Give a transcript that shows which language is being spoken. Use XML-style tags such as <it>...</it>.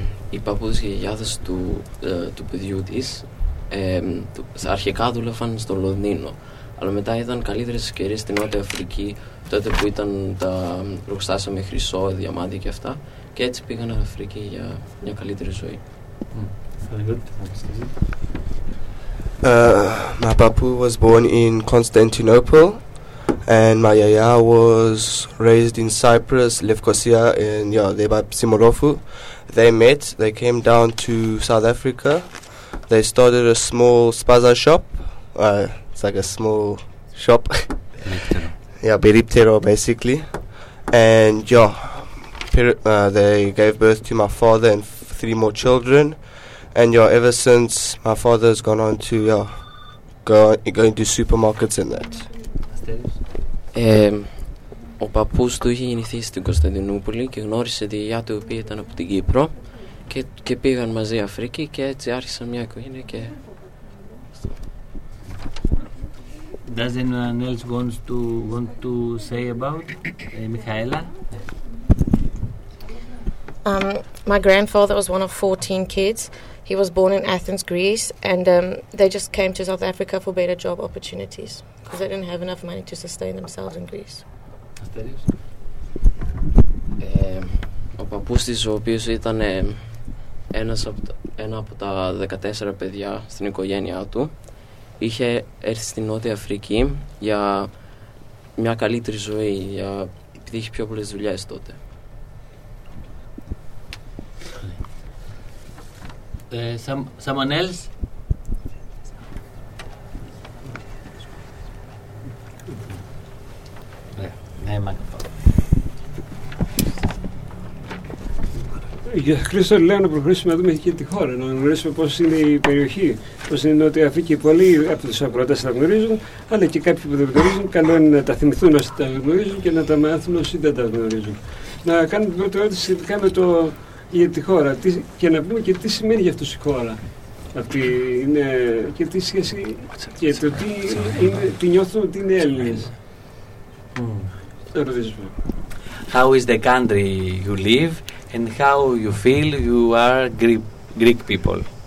<el>Οι παππούδες και οι γιαγιάδες του παιδιού της αρχικά δούλευαν στο Λονδίνο, αλλά μετά είδαν καλύτερες ευκαιρίες στην Νότια Αφρική, τότε που ήταν τα ρουχστάσια με χρυσό, διαμάντια και αυτά, και έτσι πήγαν στην Αφρική για μια καλύτερη ζωή.</el> <en>My papu was born in Constantinople and my yaya was raised in Cyprus, Lefkosia, and yeah, they by Psimorophou. They met, they came down to South Africa, they started a small spaza shop, it's like a small shop, yeah, Periptero basically, and yeah, they gave birth to my father and three more children. And yeah, ever since my father has gone on to go into supermarkets and that.</en> <el>Ο παππούς του είχε γεννηθεί στην Κωνσταντινούπολη και γνώρισε τη γιαγιά του, η οποία ήταν από την Κύπρο, και πήγαν μαζί Αφρική και έτσι άρχισαν μια οικογένεια και...</el> <en>Does anyone else want to say about Michaela? My grandfather was one of 14 kids. He was born in Athens, Greece, and they just came to South Africa for better job opportunities because they didn't have enough money to sustain themselves in Greece.</en> <el>Ο παππούς της, ο οποίος ήταν ένα από τα 14 παιδιά στην οικογένειά του, είχε έρθει στην Νότια Αφρική για μια καλύτερη ζωή, επειδή είχε πιο πολλές δουλειές τότε.</el> <en>Someone else?</en> <el>Για Χρήστο, λέω να προχωρήσουμε να δούμε και τη χώρα, να γνωρίσουμε πώς είναι η περιοχή, πώς είναι η Νότια Αφρική. Πολλοί από τους ακροατές θα γνωρίζουν, αλλά και κάποιοι που δεν γνωρίζουν, καλό είναι να τα θυμηθούν όσοι τα γνωρίζουν και να τα μάθουν όσοι δεν τα γνωρίζουν. Να κάνουμε την πρώτη ερώτηση σχετικά με το για τη χώρα και να πούμε και τι σημαίνει για αυτούς η χώρα. Αυτή είναι και τι σχέση και το τι, είναι, τι νιώθουν ότι είναι Έλληνες. Θα ρωτήσουμε.</el> <en>How is the country you live and how you feel you are Greek people?</en>